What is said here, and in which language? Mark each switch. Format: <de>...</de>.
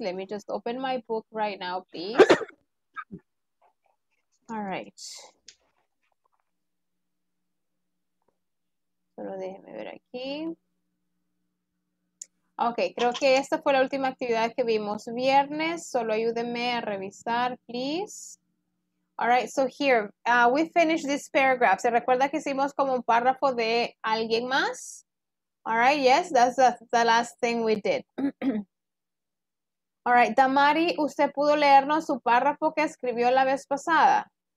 <en>Let me just open my book right now, please. All right.</en> <es>Solo déjeme ver aquí. Ok, creo que esta fue la última actividad que vimos viernes. Solo ayúdenme a revisar,</es> <en>please. All right, so here, we finished this paragraph.</en> <es>¿Se recuerda que hicimos como un párrafo de alguien más?</es> <en>All right, yes, that's the last thing we did. All right,</en> <es>Damari, ¿usted pudo leernos su párrafo que escribió la vez pasada?</es>